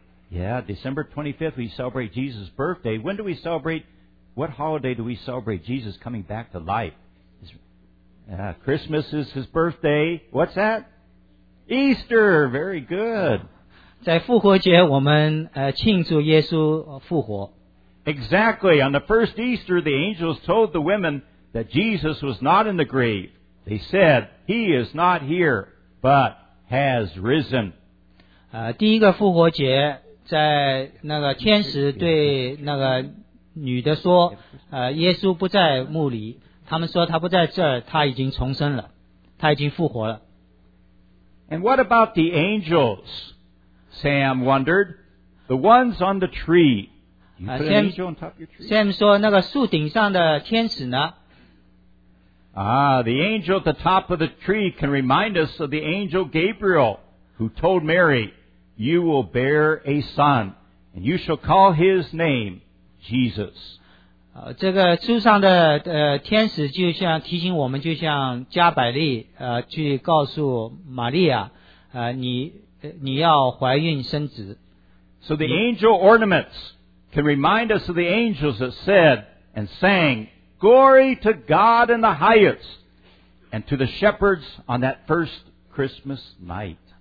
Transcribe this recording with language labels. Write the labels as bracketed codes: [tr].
[en] Yeah, December 25th, we celebrate Jesus' birthday. When do we celebrate, what holiday do we celebrate Jesus coming back to life? Christmas is his birthday. What's that? Easter! Very good. [zh] 在复活节我们庆祝耶稣复活。 [en] Exactly. On the first Easter, the angels told the women that Jesus was not in the grave. They said, He is not here, but has risen. [zh] 第一个复活节在那个天使对那个女的说耶稣不在墓里，他们说他不在这儿，他已经重生了，他已经复活了。 [en] And what about the angels? Sam wondered. The ones on the tree. [zh] Sam 说那个树顶上的天使呢？ [en] The angel at the top of the tree can remind us of the angel Gabriel who told Mary, You will bear a son, and you shall call his name Jesus. [zh] 这个树上的天使就像提醒我们，就像加百利去告诉玛利亚你要怀孕生子。 [en] So the angel ornaments can remind us of the angels that said and sang,Glory to God in the highest, and to the shepherds on that first Christmas night.